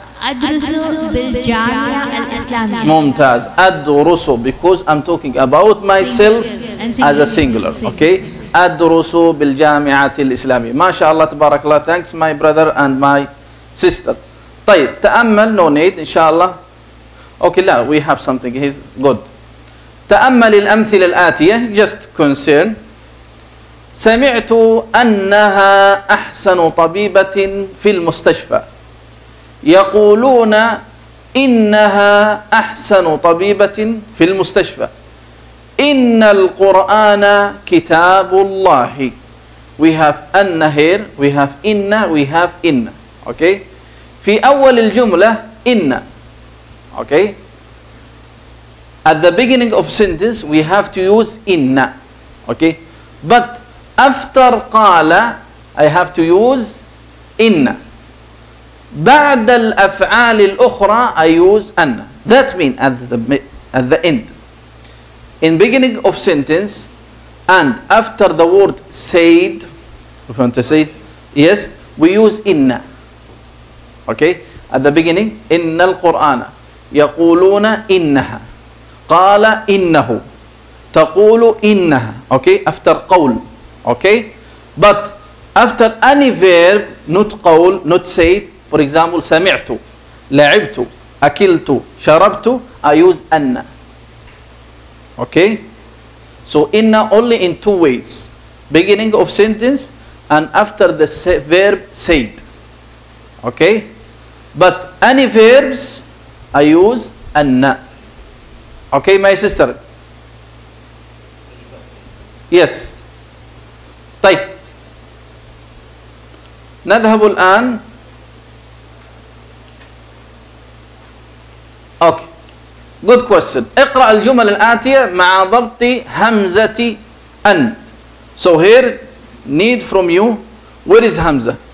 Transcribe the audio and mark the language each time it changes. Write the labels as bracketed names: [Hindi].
[Arabic] أدرس بالجامعة الإسلامية. ممتاز. أدرس. [English] Because I'm talking about myself as a singular. Okay. [Arabic] أدرس بالجامعة الإسلامية. ما شاء الله تبارك الله. [English] Thanks my brother and my sister. [Arabic] طيب تأمل. [English] No need. [Arabic] إن شاء الله. [English] Okay. [Arabic] لا. [English] We have something. He's good. [Arabic] تأمل الأمثلة الآتية. [English] Just concern. [Arabic] سمعت أنها أحسن طبيبة في المستشفى. يقولون إنها أحسن طبيبة في المستشفى. إن القرآن كتاب الله. [English] We have أن here, we have إن, we have إن. Okay. [Arabic] في أول الجملة إن. Okay. [English] At the beginning of sentence, we have to use إن. Okay. But after قال, I have to use إن. [Arabic] بعد الأفعال الأخرى, [English] I use [Arabic] أن. [English] That means at the end. In beginning of sentence, and after the word said, if you want to say it, yes, we use إن. Okay. [Arabic] At the beginning, إن القرآن يقولون إنها. قال إنه تقول إنها. Okay. [English] After [Arabic] قول. Okay. [English] But after any verb, not قول, not said. For example, [Arabic] سمعت, لعبت, أكلت, شربت. [English] I use أن. Okay. So إن only in two ways: beginning of sentence and after the verb said. Okay. But any verbs, I use أن. Okay, my sister. Yes. طيب. [Arabic] نذهب الآن. [English] Okay. Good question. [Arabic] اقرأ الجمل الآتية مع ضبط همزة أن. [English] So here, need from you, where is همزة?